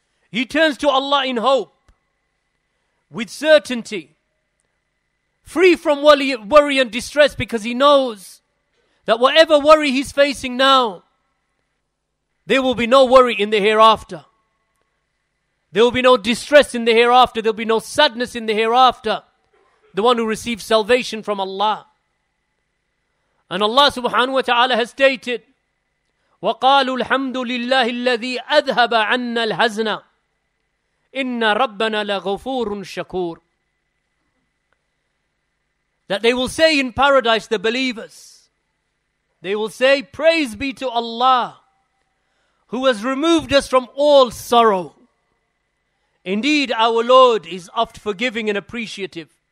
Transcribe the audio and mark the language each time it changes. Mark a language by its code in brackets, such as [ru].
[en] He turns to Allah in hope, with certainty, free from worry and distress, because he knows that whatever worry he's facing now, there will be no worry in the hereafter. There will be no distress in the hereafter. There will be no sadness in the hereafter. The one who receives salvation from Allah. And Allah subhanahu wa ta'ala has stated, [ar] وَقَالُوا الْحَمْدُ لِلَّهِ الَّذِي أَذْهَبَ عَنَّا الْحَزْنَ إِنَّ رَبَّنَا لَغَفُورٌ شَكُورٌ. [en] That they will say in paradise, the believers, they will say, praise be to Allah who has removed us from all sorrow. Indeed, our Lord is oft forgiving and appreciative.